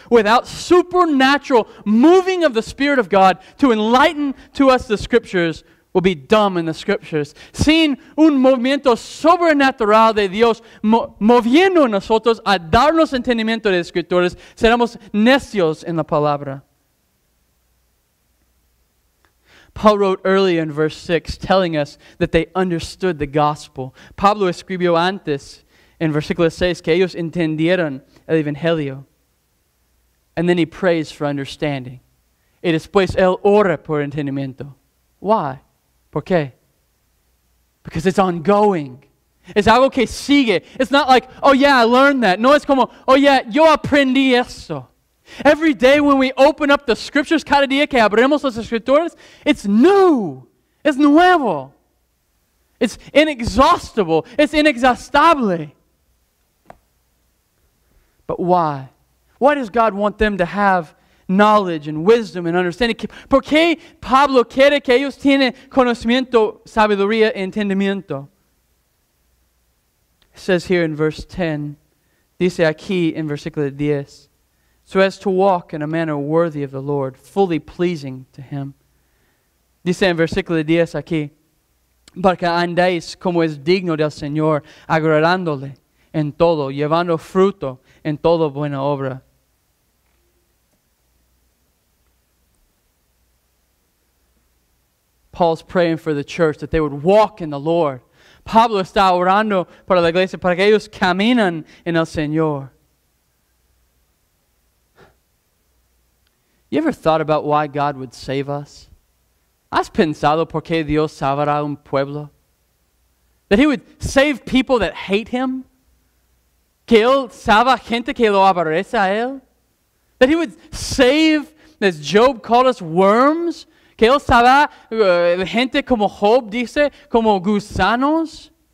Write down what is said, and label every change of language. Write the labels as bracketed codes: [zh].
[en] Without supernatural moving of the Spirit of God to enlighten to us the Scriptures, will be dumb in the scriptures. [es] Sin un movimiento sobrenatural de Dios moviendo nosotros a darnos entendimiento de escrituras, seremos necios en la palabra. [en] Paul wrote early in verse 6 telling us that they understood the gospel. [es] Pablo escribió antes en versículo 6 que ellos entendieron el evangelio. [en] And then he prays for understanding. [es] Y después él ora por entendimiento. Why? ¿Por qué? [en] Because it's ongoing. [es] Es algo que sigue. [en] It's not like, oh yeah, I learned that. [es] No, es como, oh yeah, yo aprendí eso. [en] Every day when we open up the scriptures, [es] cada día que abrimos las escrituras, [en] it's new. [es] It's nuevo. [en] It's inexhaustible. It's inexhaustible. But why? Why does God want them to have knowledge and wisdom and understanding? [es] ¿Por qué Pablo quiere que ellos tienen conocimiento, sabiduría, entendimiento? [en] It says here in verse 10, [es] dice aquí en versículo 10, [en] so as to walk in a manner worthy of the Lord, fully pleasing to Him. [es] Dice en versículo 10 aquí, para que andéis como es digno del Señor, agradándole en todo, llevando fruto en toda buena obra. [en] Paul's praying for the church that they would walk in the Lord. [es] Pablo está orando para la iglesia para que ellos caminen en el Señor. [en] You ever thought about why God would save us? [es] ¿Has pensado por qué Dios salvará un pueblo? [en] That He would save people that hate Him? [es] ¿Que Él salva gente que lo aborrece a Él? [en] That He would save, as Job called us, worms? [es] ¿Que Él salva gente como Job dice, como gusanos?